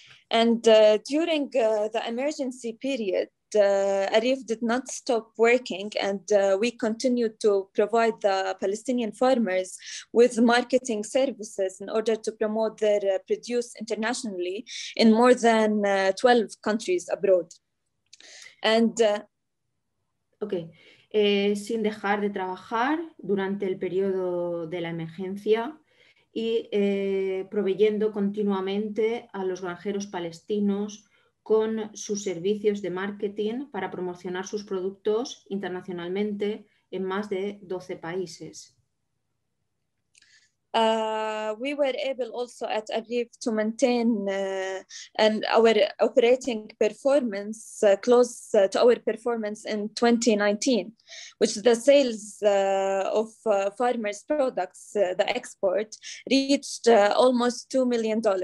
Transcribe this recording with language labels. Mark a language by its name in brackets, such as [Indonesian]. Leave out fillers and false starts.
[English] And during the emergency period, Arif did not stop working, and we continued to provide the Palestinian farmers with marketing services in order to promote their produce internationally in more than 12 countries abroad. And [Spanish] okay, sin dejar de trabajar durante el periodo de la emergencia y proveyendo continuamente a los granjeros palestinos con sus servicios de marketing para promocionar sus productos internacionalmente en más de 12 países. [English] We were able also at Aviv to maintain and our operating performance close to our performance in 2019, which the sales of farmers' products, the export, reached almost $2 million.